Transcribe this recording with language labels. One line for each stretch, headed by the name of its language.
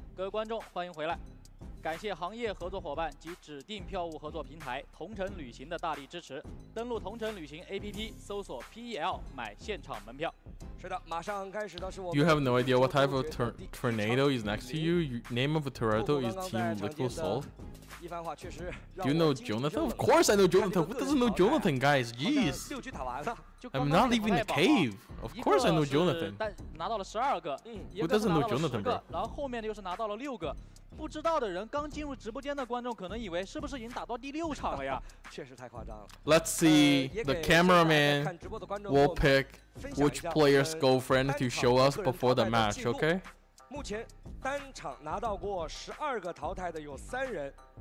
Chinese: 观众欢迎回来，感谢行业合作伙伴及指定票务合作平台同程旅行的大力支持。登录同程旅行 APP， 搜索 PEL 买现场门票。是的，马上开始的是我们。
English: You have no idea what type of tornado is next to you. Name of a tornado is Team Little Soul. Do you know Jonathan? Of course I know Jonathan. Who doesn't know Jonathan, guys? Jeez. I'm not leaving the cave. Of course I know Jonathan.
Chinese: 拿到了十二个，
English: Who doesn't know Jonathan, bro?
Chinese: 然后后面又是拿到了六个。不知道的人，刚进入直播间的观众可能以为是不是已经打到第六场了呀？确实太夸张了。
English: Let's see the cameraman will pick which player's girlfriend to show us before the match, okay?
Chinese: 目前单场拿到过十二个淘汰的有三人。